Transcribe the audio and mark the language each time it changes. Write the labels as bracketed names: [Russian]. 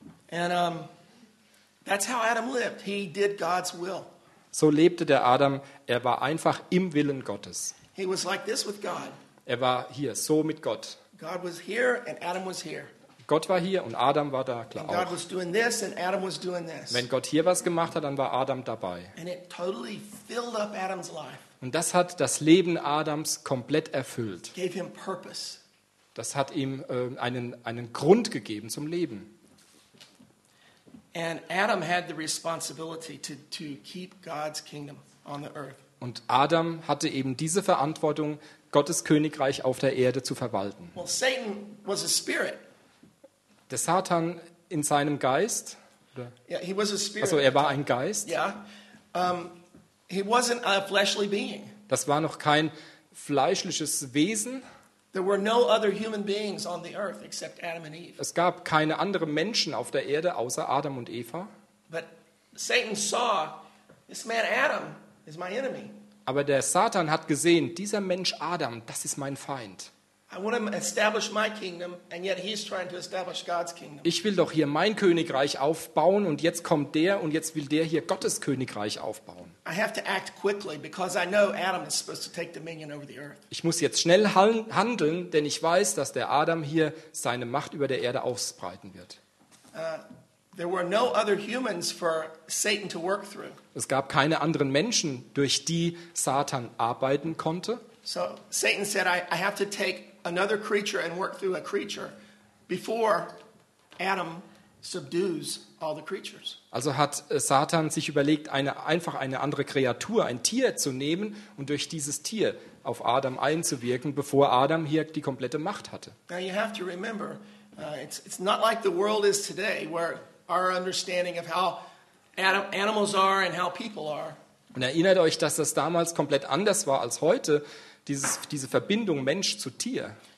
[English] And that's how Adam lived. He did God's will. [German] So lebte der Adam. Er war einfach im Willen Gottes. [English] He was like this with God. [German] Er war hier, so mit Gott. [English] God was here and Adam was here. [German] Gott war hier und Adam war da, klar auch. [English] God was doing this and Adam was doing this. [German] Wenn Gott hier was gemacht hat, dann war Adam dabei. [English] And it totally filled up Adam's life. [German] Und das hat das Leben Adams komplett erfüllt. [English] It gave him purpose. [German] Das hat ihm einen Grund gegeben zum Leben. [English] And Adam had the responsibility to keep God's kingdom on the earth. [German] Und Adam hatte eben diese Verantwortung, Gottes Königreich auf der Erde zu verwalten. [English] Well, Satan was a spirit. [German] Der Satan in seinem Geist. [English] Yeah, he was a spirit. [German] Also er war ein Geist. Yeah. [English] He wasn't a fleshly being. [German] Das war noch kein fleischliches Wesen. [English] There were no other human beings on the earth except Adam and Eve. [German] Es gab keine anderen Menschen auf der Erde außer Adam und Eva. [English] But Satan saw this man Adam is my enemy. [German] Aber der Satan hat gesehen, dieser Mensch Adam, das ist mein Feind. [English] I want to establish my kingdom and yet he's trying to establish God's kingdom. [German] Ich will doch hier mein Königreich aufbauen und jetzt kommt der und jetzt will der hier Gottes Königreich aufbauen. [English] I have to act quickly because I know Adam is supposed to take dominion over the earth. [German] Ich muss jetzt schnell handeln, denn ich weiß, dass der Adam hier seine Macht über der Erde ausbreiten wird. [English] There were no other humans for Satan to work through. [German] Es gab keine anderen Menschen, durch die Satan arbeiten konnte. [English] So Satan said I have to take another creature and work through a creature before Adam subdues all the creatures. [German] Also hat Satan sich überlegt, eine andere Kreatur, ein Tier zu nehmen und durch dieses Tier auf Adam einzuwirken, bevor Adam hier die komplette Macht hatte. [English] Now you have to remember, it's not like the world is today where our understanding of how animals are and how people are. [German] Und erinnert euch, dass das damals komplett anders war als heute. Diese Verbindung Mensch zu Tier.